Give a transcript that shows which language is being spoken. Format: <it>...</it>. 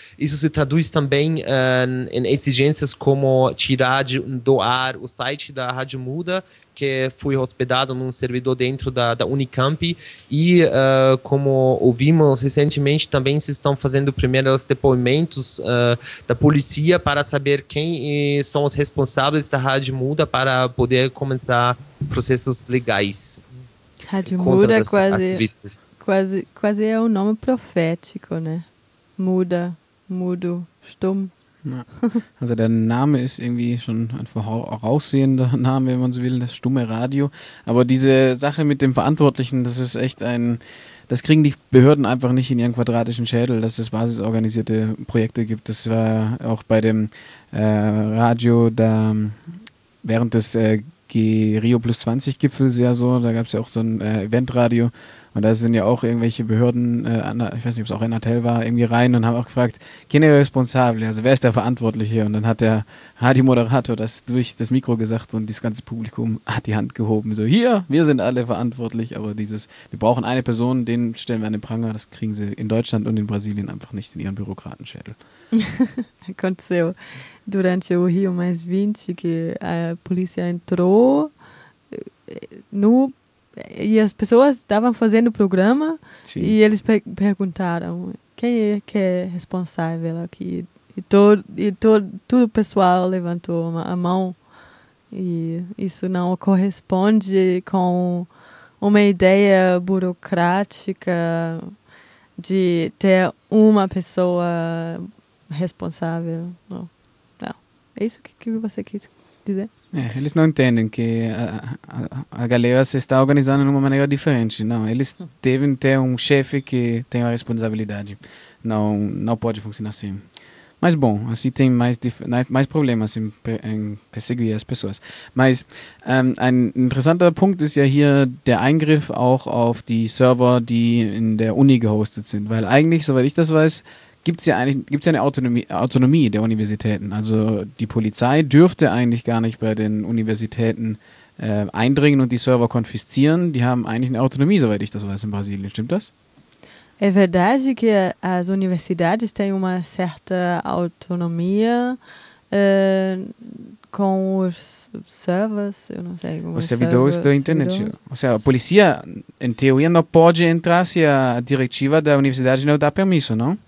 <pt>Isso se traduz também em exigências como tirar do ar o site da Rádio Muda, que foi hospedado num servidor dentro da Unicamp, e como ouvimos recentemente, também se estão fazendo primeiros depoimentos da polícia para saber quem são os responsáveis da Rádio Muda para poder começar processos legais. Rádio Muda quase é um nome profético, né? Muda, mudo,</pt> <de>stumm. Ja. Also der Name ist irgendwie schon ein voraussehender Name, wenn man so will, das stumme Radio. Aber diese Sache mit dem Verantwortlichen, das ist echt ein, das kriegen die Behörden einfach nicht in ihren quadratischen Schädel, dass es basisorganisierte Projekte gibt. Das war auch bei dem Radio da während des Rio Plus 20 Gipfels ja so, da gab es ja auch so ein Eventradio. Und da sind ja auch irgendwelche Behörden, ich weiß nicht, ob es auch Enatel war, irgendwie rein und haben auch gefragt,</de> <es>¿quién es responsable?</es> <de>Also wer ist der Verantwortliche? Und dann hat der Radiomoderator das durch das Mikro gesagt und das ganze Publikum hat die Hand gehoben. So, hier, wir sind alle verantwortlich, aber dieses, wir brauchen eine Person, den stellen wir an den Pranger, das kriegen sie in Deutschland und in Brasilien einfach nicht in ihren Bürokratenschädel.</de> <pt>Aconteceu durante o Rio mais 20, que a polícia entrou no... E as pessoas estavam fazendo o programa. Sim. E eles perguntaram quem é que é responsável aqui. E todo o pessoal levantou a mão. E isso não corresponde com uma ideia burocrática de ter uma pessoa responsável. Não. Não. É isso que você quis dizer? É, eles não entendem que a galera se está organizando de uma maneira diferente. Não, eles devem ter um chefe que tem a responsabilidade. Não pode funcionar assim. Mas bom, assim tem mais problemas em perseguir as pessoas.</pt> <de>Mas ein interessanter Punkt ist ja hier der Eingriff auch auf die Server, die in der Uni gehostet sind. Weil eigentlich, soweit ich das weiß, gibt's ja eine Autonomie der Universitäten. Also die Polizei dürfte eigentlich gar nicht bei den Universitäten eindringen und die Server konfiszieren. Die haben eigentlich eine Autonomie, soweit ich das weiß, in Brasilien. Stimmt das?</de> <pt>É verdade que as universidades têm uma certa autonomia com os servers, eu não sei. Os servidores da internet. Ou seja, a polícia, em teoria, não pode entrar se a diretiva da universidade não dá permissão, não?</pt>